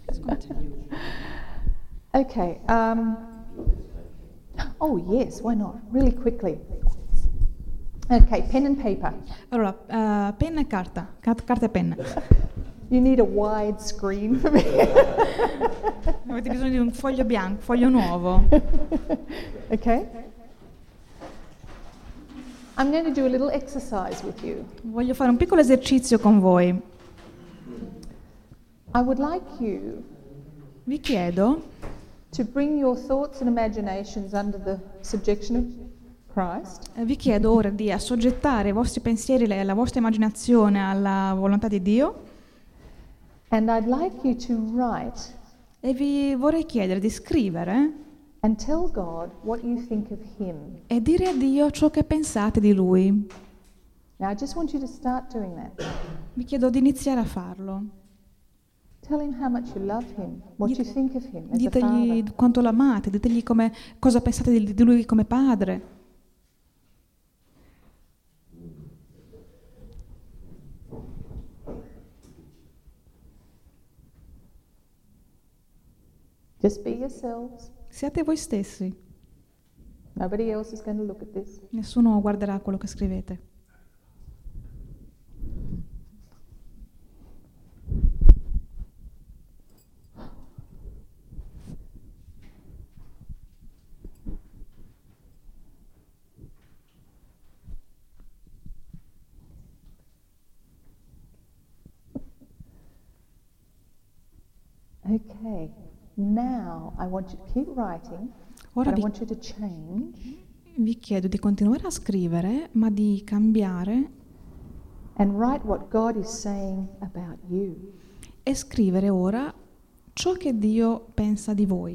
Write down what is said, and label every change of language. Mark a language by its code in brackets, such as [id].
[en] He's going to tell you. Okay. Oh yes, why not? Really quickly. Okay, pen and paper. [it] Allora, penna e carta. Carta e penna. [en] You need a wide screen for me. [it] Avete bisogno di un foglio bianco, foglio nuovo. [en] Okay. I'm going to do a little exercise with you. [it] Voglio fare un piccolo esercizio con voi. [en] I would like you. [it] Vi chiedo. [en] To bring your thoughts and imaginations under the subjection of Christ. [it] Vi chiedo ora di assoggettare i vostri pensieri e la vostra immaginazione alla volontà di Dio. [en] And I'd like you to write. [it] E vi vorrei chiedere di scrivere. [en] And tell God what you think of him. [it] E dire a Dio ciò che pensate di lui. [en] Now I just want you to start doing that. [it] Vi chiedo di iniziare a farlo. [en] Tell him how much you love him, what you think of him as a father. [it] Ditegli quanto lo amate, ditegli come cosa pensate di lui come padre. [en] Just be yourselves. [it] Siate voi stessi. [en] Nobody else is going to look at this. [it] Nessuno guarderà quello che scrivete. [en] Okay. Now I want you to keep writing. [it] Ora [en] but I want you to change. [it] Vi chiedo di continuare a scrivere, ma di cambiare. [en] And write what God is saying about you. [it] E scrivere ora ciò che Dio pensa di voi.